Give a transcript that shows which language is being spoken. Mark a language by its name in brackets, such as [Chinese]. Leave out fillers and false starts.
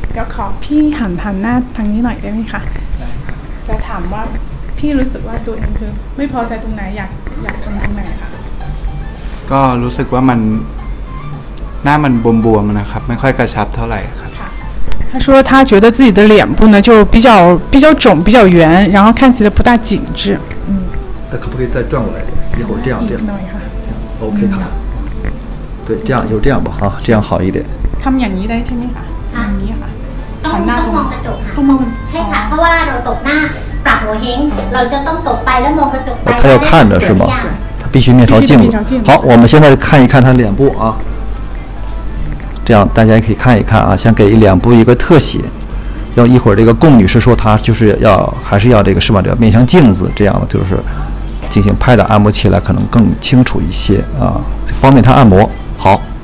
[Chinese] 要考 [Thai] พี่หันหันหน้าทางนี้หน่อยได้ไหมคะ？จะถามว่าพี่รู้สึกว่าตัวเองคือไม่พอใจตรงไหนอยากทำตรงไหนคะ？ ก็รู้สึกว่ามันหน้ามันบวมๆนะครับไม่ค่อยกระชับเท่าไหร่ครับ。 [Chinese] 他说他觉得自己的脸部呢就比较肿比较圆，然后看起来不大紧致。嗯。那可不可以再转过来？一会儿这样。OK 哈。对，这样有这样吧哈，这样好一点。 [Thai] ทำอย่างนี้ได้ใช่ไหมคะ ทำ นี้ค่ะ ต้องมองกระจกค่ะ ต้องมอง ใช่ค่ะเพราะว่าเราตกหน้าปรับหัวเฮงเราจะต้องตกไปแล้วมองกระจกไป ถ้าจะ [Chinese] 看着是吗他必须面朝镜子好我们现在看一看他脸部啊这样大家也可以看一看啊先给脸部一个特写要一会儿这个贡女士说她就是要还是要这个是吧这面向镜子这样的就是进行拍打按摩起来可能更清楚一些啊方便她按摩好